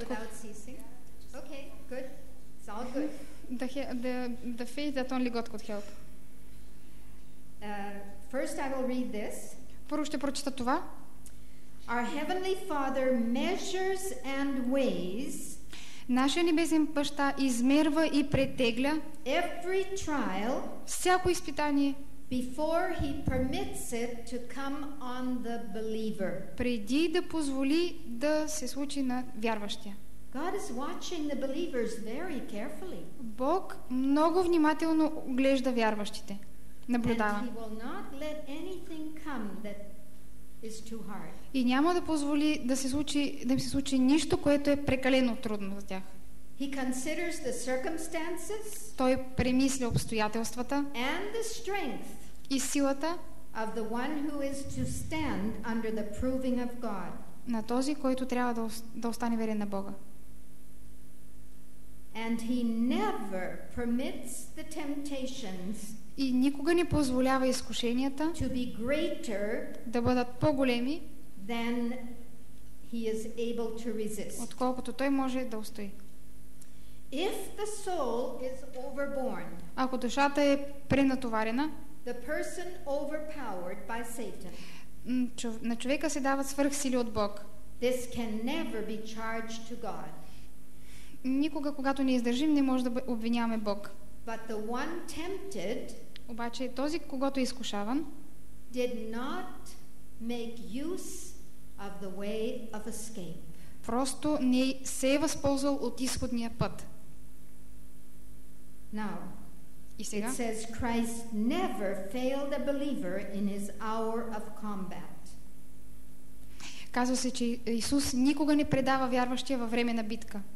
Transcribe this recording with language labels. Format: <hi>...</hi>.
<en>without ceasing. Okay, good. It's all good. The faith that only God could help. First I will read this.</en> <bg>Първо ще прочета това.</bg> <en>Our Heavenly Father measures and weighs.</en> <bg>Нашия небесен баща измерва и претегля</bg> <en>every trial,</en> <bg>всяко изпитание,</bg> <en>before he permits it to come on the believer.</en> <bg>Преди да позволи да се случи на вярващия.</bg> <en>God is watching the believers very carefully.</en> <bg>Бог много внимателно глежда вярващите. Наблюдава.</bg> <en>And he will not let anything come that is too hard.</en> <bg>И няма да позволи да се случи, да им се случи нищо, което е прекалено трудно за тях.</bg> <en>He considers the circumstances.</en> <bg>Той премисля обстоятелствата.</bg> <en>And the strength.</en> <bg>И силата.</bg> <en>Of the one who is to stand under the proving of God.</en> <bg>На този, който трябва да остане верен на Бога.</bg> <en>And he never permits the temptations.</en> <bg>И никога не позволява изкушенията</bg> <en>to be greater</en> <bg>да бъдат по-големи</bg> <en>than he is able to resist.</en> <bg>Отколкото той може да устои.</bg> <en>If the soul is overborne,</en> <bg>ако душата е пренатоварена,</bg> <en>the person overpowered by Satan,</en> <bg>на човека се дават свръхсили от Бог.</bg> <en>This can never be charged to God.</en> <bg>Никога, когато не издържим, не може да обвиняваме Бог.</bg> <en>But the one tempted,</en> <bg>обаче този, когото е изкушаван,</bg> <en>did not make use of the way of escape.</en> <bg>Просто не се е възползвал от изходния път.</bg> <en>Now,</en> <bg>и сега,</bg> <en>it says Christ never failed a believer in his hour of combat.</en> <bg>Казва се, че Исус никога не предава вярващия във време на битка.</bg>